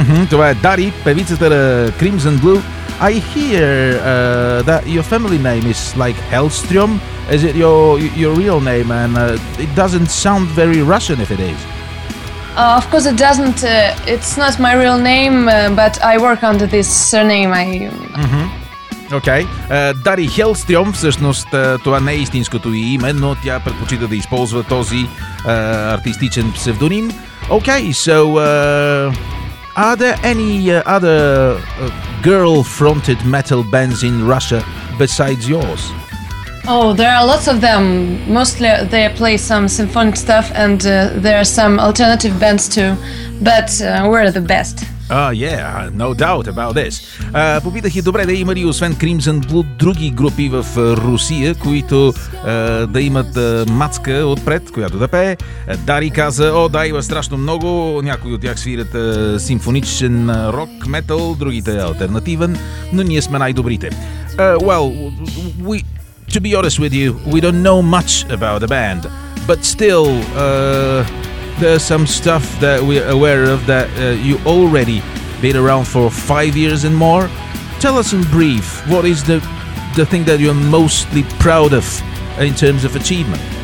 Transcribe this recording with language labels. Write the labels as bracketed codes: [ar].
[bg] Това е Дари, певицата на Crimson Blue. [en] I hear that your family name is like Hellstrom. Is it your real name? And it doesn't sound very Russian if it is. Of course it doesn't. It's not my real name, but I work under this surname. [bg] Окей. Дари Хелстрьом, всъщност това не е истинското ѝ име, но тя предпочита да използва този артистичен псевдоним. [en] Окей, so are there any other girl-fronted metal bands in Russia besides yours? Oh, there are lots of them. Mostly they play some symphonic stuff and there are some alternative bands too, but we're the best. Yeah, no doubt about this. [bg] Попитах и добре да има ли освен Crimson Blue други групи в Русия, които да имат мацка отпред, която да пее. Дари каза, о да, има страшно много, някои от тях свирят симфоничен рок, метал, другите алтернативен, но ние сме най-добрите. [en] Well, we, to be honest with you, we don't know much about the band, but still... There's some stuff that we're aware of that you already been around for 5 years and more. Tell us in brief, what is the thing that you're mostly proud of in terms of achievement?